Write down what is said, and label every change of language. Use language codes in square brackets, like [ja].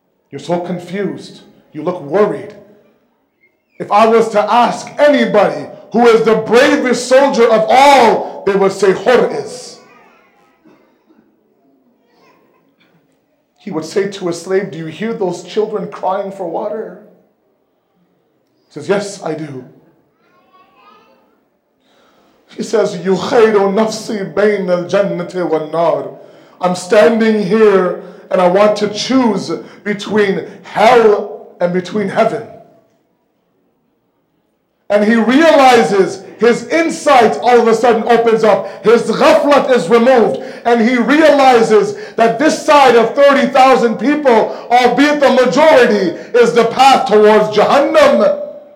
[en] You're so confused. You look worried. If I was to ask anybody who is the bravest soldier of all, they would say Hur is. He would say to a slave, do you hear those children crying for water? He says, yes, I do. He says, [ar] يُخَيْرُ نَفْسِي بَيْنَ الْجَنَّةِ وَالنَّارِ [en] I'm standing here and I want to choose between hell and between heaven. And he realizes, his insight all of a sudden opens up. His ghaflat is removed. And he realizes that this side of 30,000 people, albeit the majority, is the path towards Jahannam.